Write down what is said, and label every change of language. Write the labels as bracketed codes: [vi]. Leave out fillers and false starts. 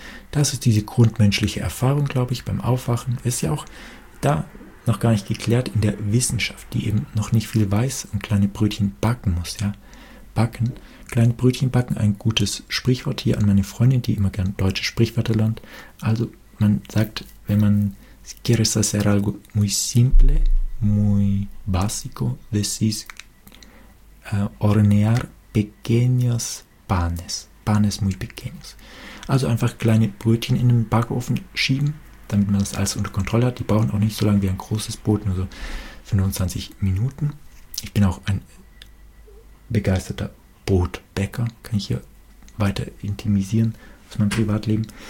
[de] Das ist diese grundmenschliche Erfahrung, glaube ich, beim Aufwachen. Ist ja auch da noch gar nicht geklärt in der Wissenschaft, die eben noch nicht viel weiß und kleine Brötchen backen muss. Ja, backen, kleine Brötchen backen, ein gutes Sprichwort hier an meine Freundin, die immer gern deutsche Sprichwörter lernt. Also man sagt, wenn man [es] quieres hacer algo muy simple, muy básico, decís hornear pequeños panes, panes muy pequeños. [de] Also einfach kleine Brötchen in den Backofen schieben, damit man das alles unter Kontrolle hat. Die brauchen auch nicht so lange wie ein großes Brot, nur so 25 Minuten. Ich bin auch ein begeisterter Brotbäcker, kann ich hier weiter intimisieren aus meinem Privatleben.